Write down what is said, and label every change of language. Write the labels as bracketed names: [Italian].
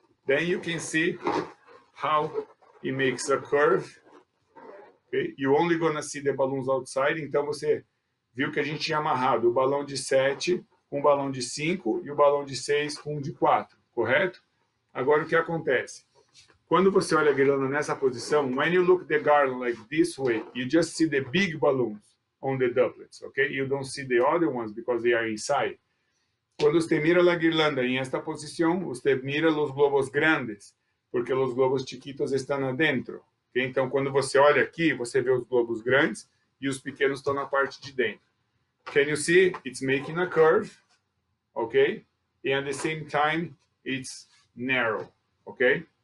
[English] Then you can see how it makes a curve. Okay? You only gonna see the balloons outside, [Portuguese] então você... viu que a gente tinha amarrado o balão de 7 com o balão de 5 e o balão de 6 com o de 4, correto? Agora, o que acontece? Quando você olha a guirlanda nessa posição, [English] when you look the garland like this way, you just see the big balloons on the duplets, ok? You don't see the other ones because they are inside. [Portuguese] Quando você mira a guirlanda em esta posição, você mira os globos grandes, porque os globos chiquitos estão dentro. Okay? Então, quando você olha aqui, você vê os globos grandes, e os pequenos estão na parte de dentro. [English] Can you see? It's making a curve, ok? And at the same time, it's narrow, ok?